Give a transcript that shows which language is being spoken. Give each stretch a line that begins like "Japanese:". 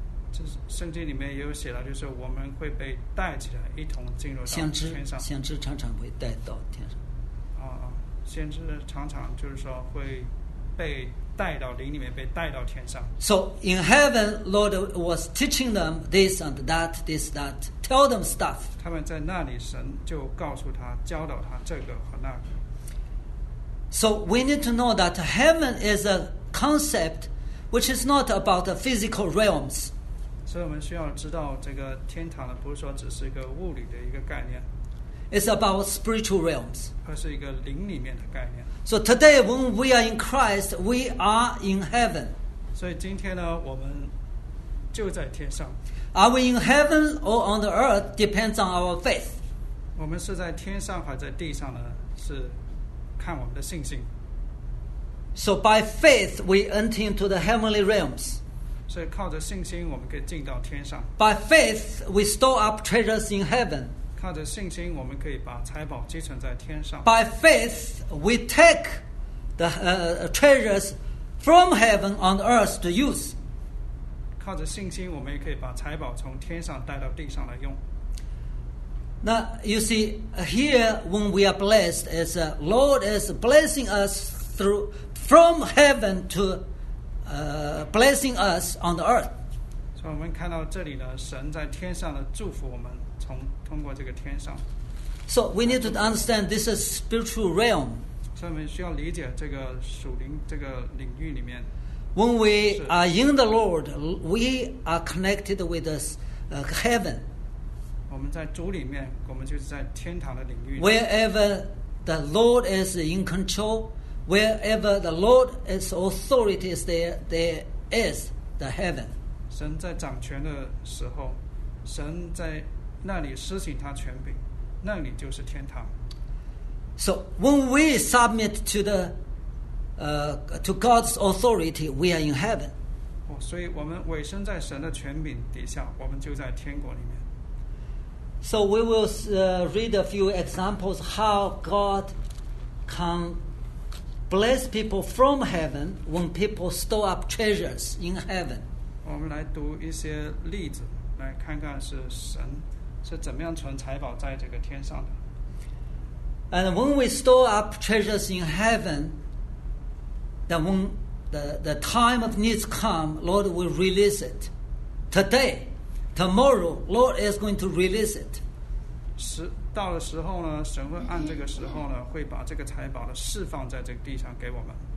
Chinese: 这圣经里面也有写了，就是我们会被带起来，一同进入到天上。先知常常会带到天上。先知常常就是说会被带到灵里面，被带到天上。
English: So in heaven, Lord was teaching them this and that, this that, tell them stuff.
Chinese: 他们在那里，神就告诉他，教导他这个和那个。
English: So we need to know that heaven is a concept which is not about the physical realms.
Chinese: 所以我们需要知道这个天堂不是说只是一个物理的一个概念。
English: It's about spiritual realms.
Chinese: 它是一个灵里面的概念。
English: So today when we are in Christ, we are in heaven.
Chinese: 所以今天呢，我们就在天上。
English: Are we in heaven or on the earth depends on our faith.
Chinese: 我们是在天上还在地上呢，是看我们的信心。
English: So by faith we enter into the heavenly realms.
Chinese: 所以靠着信心我们可以进到天上。
English: By faith we store up treasures in heaven.
Chinese: 靠着信心我们可以把财宝积存在天上。
English: By faith we take the treasures from heaven on earth to use.
Chinese: 靠着信心我们也可以把财宝从天上带到地上来用。
English: Now, you see, here when we are blessed, as the Lord is blessing us through, from heaven to blessing us on the earth. So we can see here, God is blessing us from heaven. So we need to understand this is spiritual realm. So we need to understand this is spiritual realm. When we are in the Lord, we are connected with this, heaven.
Chinese: 我们在主里面，我们就是在天堂的领域。
English: Wherever the Lord is in control, wherever the Lord is authority is there, there is the heaven.
Chinese: 神在掌权的时候，神在那里施行他权柄，那里就是天堂。
English: So when we submit to the, to God's authority, we are in heaven.
Chinese: 所以我们委身在神的权柄底下，我们就在天国里面。
English: So we will read a few examples how God can bless people from heaven when people store up treasures in heaven.
Chinese: 我们来读一些例子，来看看是神是怎么样存财宝在这个天上的。
English: And when we store up treasures in heaven, then when the time of needs come, Lord will release it today. Tomorrow, Lord is going to release it.
Chinese: 到了时候呢，神会按这个时候呢，会把这个财宝呢释放在这个地上给我们。